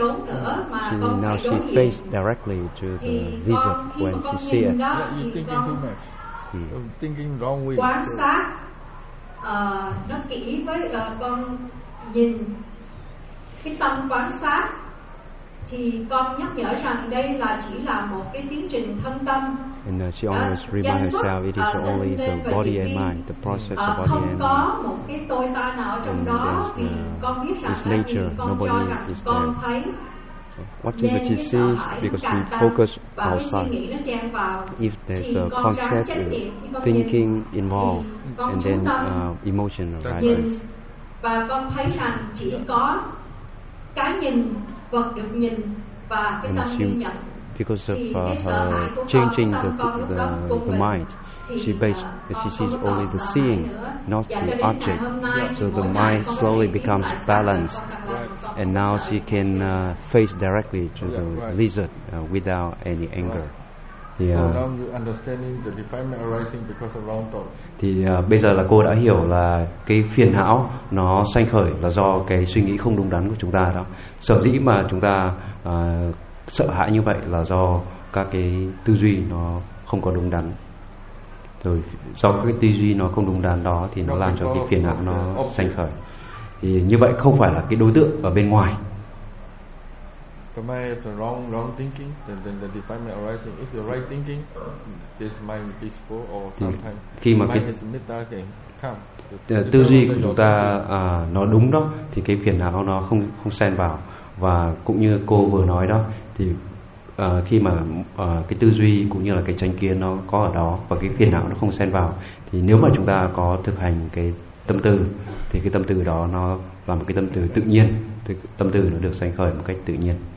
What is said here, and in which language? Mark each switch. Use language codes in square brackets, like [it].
[en] now she faced directly to the lizard when she sees it. Yeah, you're thinking too much. Yeah. Thinking wrong way. [vi] Quan sát nó kỹ với con nhìn cái tâm quan sát. Thì con nhắc nhở rằng đây là chỉ là một cái tiến trình thân tâm. [en] And she always reminds herself it is only the body and mind, the process of body and mind. [vi] Không có một cái tôi ta nào trong đó, thì con biết rằng tại vì con cho rằng con [en] there. [vi] Thấy [en] what is it she sees because we focus outside. If there's a concept thinking involved and then emotion arises. [vi] Và con thấy rằng chỉ có cái nhìn vật được nhìn và cái tâm ghi nhận. [en] Because of her changing the mind, she based she sees only the seeing, not the object. So the mind slowly becomes balanced, and now she can face directly to the lizard without any anger. Yeah. So now you understanding the defilement arising because of wrong thoughts. [vi] Thì bây giờ là cô đã hiểu là cái phiền não nó sanh khởi là do cái suy nghĩ không đúng đắn của chúng ta đó. Sở dĩ mà chúng ta sợ hãi như vậy là do các cái tư duy nó không có đúng đắn. Rồi do cái tư duy nó không đúng đắn đó thì nó làm cho cái phiền não nó sanh khởi. Thì như vậy không phải là cái đối tượng ở bên ngoài. [en] The mind is wrong thinking, then the defilement arising. If you're right thinking, this mind is peaceful or sometimes the mind is metta. [vi] Tư duy của chúng ta nó đúng đó thì cái phiền não nó không xen vào. Và cũng như cô vừa nói đó thì khi mà cái tư duy cũng như là cái chánh kiến nó có ở đó và cái phiền não nó không xen vào, thì nếu mà chúng ta có thực hành cái tâm từ thì cái tâm từ đó nó là một cái tâm từ tự nhiên, tâm từ nó được sanh khởi một cách tự nhiên.